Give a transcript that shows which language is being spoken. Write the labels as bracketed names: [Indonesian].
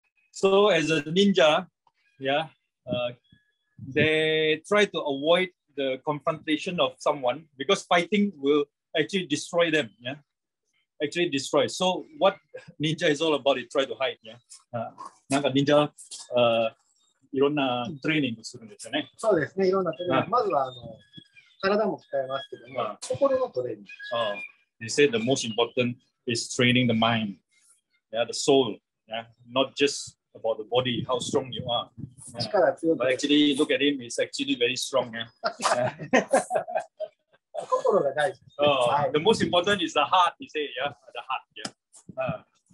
[English] So as a ninja, yeah, they try to avoid the confrontation of someone because fighting will actually destroy them, yeah. Actually destroy. So what ninja is all about, it try to hide, yeah. [Japanese] Nanka ninja いろんなトレーニングするんですよね。そうですね、いろんなトレーニング。まずはあの体も鍛えますけども、心のトレーニング。 [English] They said the most important is training the mind, yeah, the soul, yeah, not just about the body, how strong you are. [Japanese] Yeah. 力強く。 [English] But actually, look at him, he's actually very strong, yeah. [Japanese] 心が大事です、ね。 [English] The most important is the heart, he said, yeah, the heart, yeah.